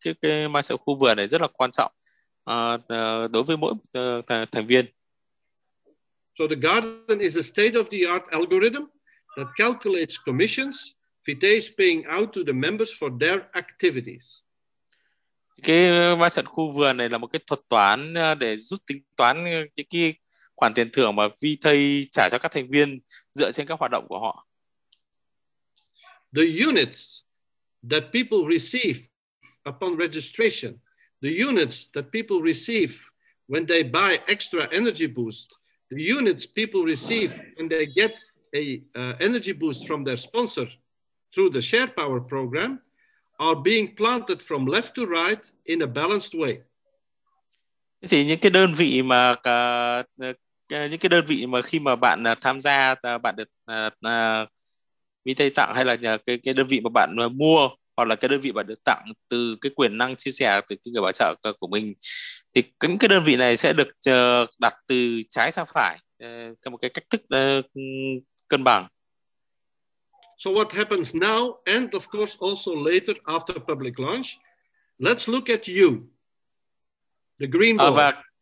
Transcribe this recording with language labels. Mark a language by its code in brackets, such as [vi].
[vi] Cái ma trận khu vườn này rất là quan trọng đối với mỗi thành viên. [en] So the garden is a state-of-the-art algorithm that calculates commissions Vitae is paying out to the members for their activities. [vi] Cái ma trận khu vườn này là một cái thuật toán để giúp tính toán những cái khoản tiền thưởng mà Vitae trả cho các thành viên dựa trên các hoạt động của họ. [en] The units that people receive upon registration, the units that people receive when they buy extra energy boost, the units people receive when they get a energy boost from their sponsor through the share power program are being planted from left to right in a balanced way. [vi] Thì những cái đơn vị mà những cái đơn vị mà khi mà bạn tham gia bạn được Vitae tặng hay là nhà cái đơn vị mà bạn mua hoặc là cái đơn vị bạn được tặng từ cái quyền năng chia sẻ từ cái người bảo trợ của mình thì những cái đơn vị này sẽ được đặt từ trái sang phải theo một cái cách thức cân bằng. [en] So what happens now and of course also later after public launch, let's look at you, the green ball.